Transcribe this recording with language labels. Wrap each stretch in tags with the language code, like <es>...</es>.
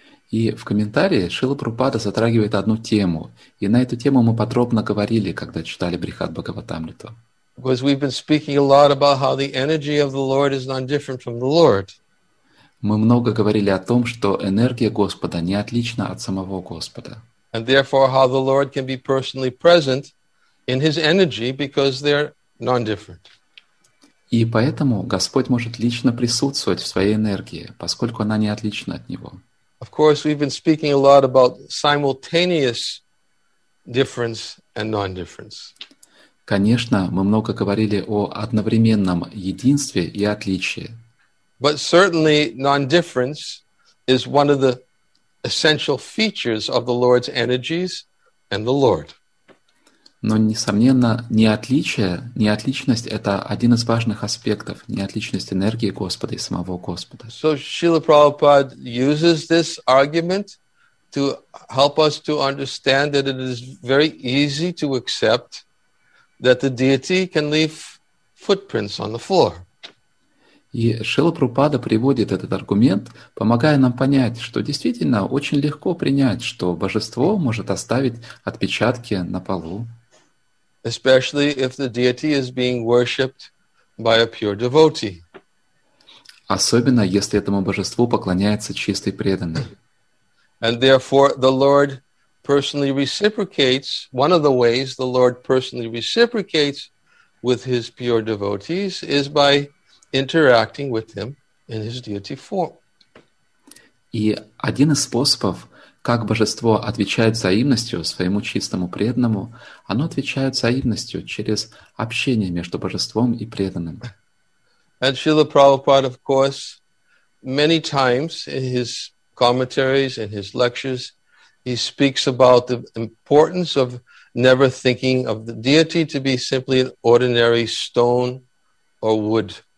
<ru>И в комментарии Шрила Прабхупада затрагивает одну тему, и на эту тему мы подробно говорили, когда читали Брихад Бхагаватамриту.</ru> <en>Because we've been speaking a lot about how the energy of the Lord is not different from the Lord.</en> <ru>Мы много говорили о том, что энергия Господа не отлична от самого Господа.</ru> <en>And therefore how the Lord can be personally present in His energy because they're non-different.</en> <ru>И поэтому Господь может лично присутствовать в Своей энергии, поскольку она не отлична от Него.</ru> <en>Of course, we've been speaking a lot about simultaneous difference and non-difference.</en> <ru>Конечно, мы много говорили о одновременном единстве и отличии.</ru> <en>But certainly non-difference is one of the essential features of the Lord's energies and the Lord.</en> <ru>Но, несомненно, неотличие, неотличность — это один из важных аспектов, неотличность энергии Господа и самого Господа.</ru> <en>So Srila Prabhupada uses this argument to help us to understand that it is very easy to accept that the deity can leave footprints on the floor.</en> <ru>И Шрила Прабхупада приводит этот аргумент, помогая нам понять, что действительно очень легко принять, что Божество может оставить отпечатки на полу.</ru> <en>Especially if the deity is being worshipped by a pure devotee.</en> <ru>Особенно если этому божеству поклоняется чистый преданный.</ru> <en>And therefore, the Lord personally reciprocates. One of the ways the Lord personally reciprocates with His pure devotees is by interacting with Him in His deity form.</en> <ru>И один из способов, как божество отвечает взаимностью своему чистому преданному, оно отвечает взаимностью через общение между божеством и преданным.</ru> <en>And Srila Prabhupada, of course, many times in his commentaries, in his lectures, he speaks about the importance of never thinking of the deity to be simply an ordinary stone or wood.</en>